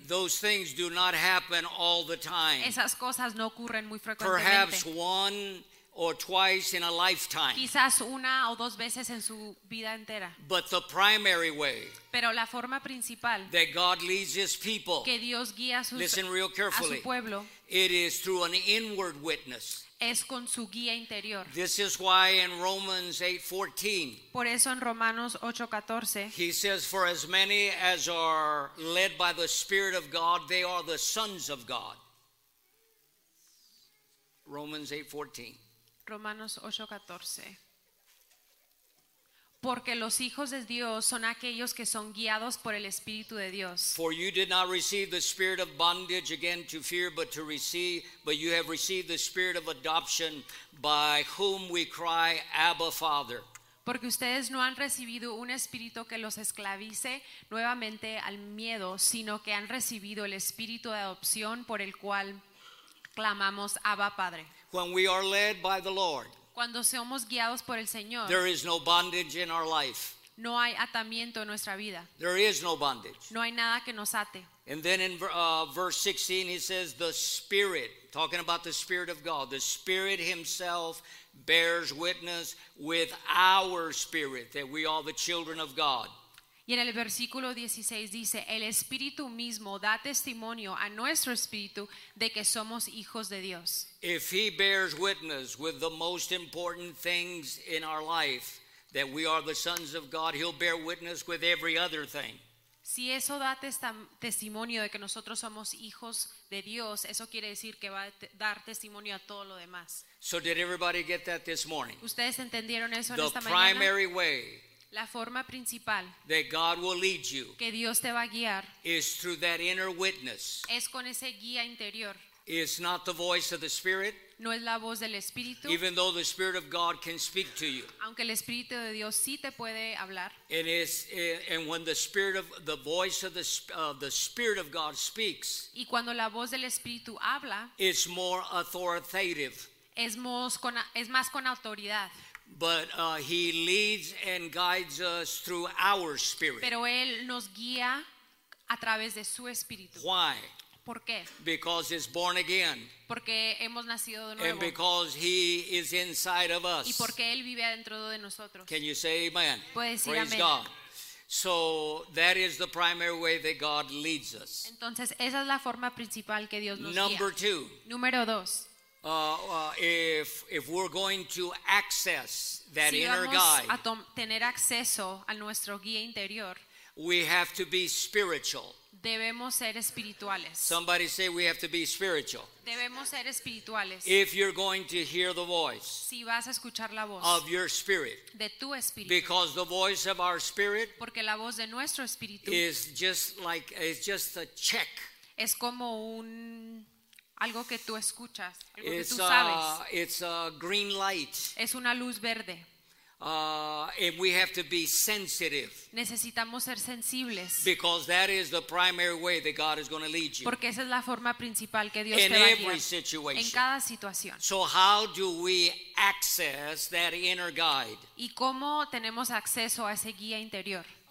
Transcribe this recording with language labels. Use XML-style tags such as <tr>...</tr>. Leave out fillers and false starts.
<en>Those things do not happen all the time.</en> <es>Esas cosas no ocurren muy frecuentemente.</es> <en>Perhaps one or twice in a lifetime.</en> <es>Quizás una o dos veces en su vida entera.</es> <en>But the primary way.</en> <es>Pero la forma principal.</es> <en>That God leads his people.</en> <es>Que Dios guía a su pueblo.</es> <en>Listen real carefully.</en> <es>A su pueblo.</es> <en>It is through an inward witness.</en> <es>Es con su guía interior.</es> <en>This is why in Romans 8:14.</en> <es>Por eso en Romanos 8:14.</es> <en>He says, "For as many as are led by the Spirit of God, they are the sons of God." Romans 8:14.</en> <es>Romanos 8:14. Porque los hijos de Dios son aquellos que son guiados por el Espíritu de Dios.</es> <en>For you did not receive the spirit of bondage again to fear, but to receive, but you have received the spirit of adoption by whom we cry, Abba, Father.</en> <es>Porque ustedes no han recibido un espíritu que los esclavice nuevamente al miedo, sino que han recibido el espíritu de adopción por el cual clamamos, Abba, Padre.</es> <en>When we are led by the Lord,</en> <es>cuando somos guiados por el Señor,</es> <en>there is no bondage in our life.</en> <es>No hay atamiento en nuestra vida.</es> <en>There is no bondage.</en> <es>No hay nada que nos ate.</es> <en>And then in verse 16, he says, "The Spirit," talking about the Spirit of God, "the Spirit Himself bears witness with our spirit that we are the children of God."</en> <es>Y en el versículo 16 dice, "El Espíritu mismo da testimonio a nuestro espíritu de que somos hijos de Dios."</es> <en>If he bears witness with the most important things in our life that we are the sons of God, he'll bear witness with every other thing.</en> <es>Si eso da testimonio de que nosotros somos hijos de Dios, eso quiere decir que va a dar testimonio a todo lo demás.</es> <en>So did everybody get that this morning?</en> <es>¿Ustedes entendieron eso en esta mañana?</es> <en>The primary way</en> <es>la forma principal</es> <en>that God will lead you</en> <es>que Dios te va a guiar</es> <en>is through that inner witness.</en> <es>Es con ese guía interior.</es> <en>It's not the voice of the Spirit.</en> <es>No es la voz del Espíritu.</es> <en>Even though the Spirit of God can speak to you.</en> <es>Aunque el Espíritu de Dios sí te puede hablar.</es> <en>And when the Spirit of the voice of the Spirit of God speaks,</en> <es>y cuando la voz del Espíritu habla,</es> <en>it's more authoritative.</en> <es>Es más con autoridad.</es> <en>But he leads and guides us through our spirit.</en> <es>Pero él nos guía a través de su espíritu.</es> <en>Why?</en> <es>¿Por qué?</es> <en>Because he's born again.</en> <es>Porque hemos nacido de nuevo.</es> <en>And because he is inside of us.</en> <es>Y porque él vive dentro de nosotros.</es> <en>Can you say amen?</en> <es>¿Puedes decir</es> <en>praise</en> <es>amen?</es> <en>God. So that is the primary way that God leads us.</en> <es>Entonces esa es la forma principal que Dios nos</es> <en>number</en> <es>guía.</es> <en>Two.</en> <es>Número dos.</es> <en>If we're going to access that</en> <es>si</es> <en>inner guide,</en> <es>a tener acceso a nuestro guía interior,</es> <en>we have to be spiritual.</en> <es>Debemos ser espirituales.</es> <en>Somebody say we have to be spiritual.</en> <es>Debemos ser espirituales.</es> <en>If you're going to hear the voice,</en> <es>si vas a escuchar la voz</es> <en>of your spirit,</en> <es>de tu espíritu,</es> <en>because the voice of our spirit,</en> <es>porque la voz de nuestro espíritu,</es> <en>is just like it's just a check.</en> <es>Es como un algo que tú escuchas, algo que tú sabes.</es> <en>It's a green light.</en> <es>Es una luz verde.</es> <en>And we have to be sensitive.</en> <es>Necesitamos ser sensibles.</es> <en>Because that is the primary way that God is going to lead you.</en> <es>Porque esa es la forma principal que Dios te va a guiar.</es> <en>In every situation.</en> <es>En cada situación.</es> <en>So how do we access that inner guide?</en> <es>¿Y cómo tenemos acceso a ese guía interior?</es>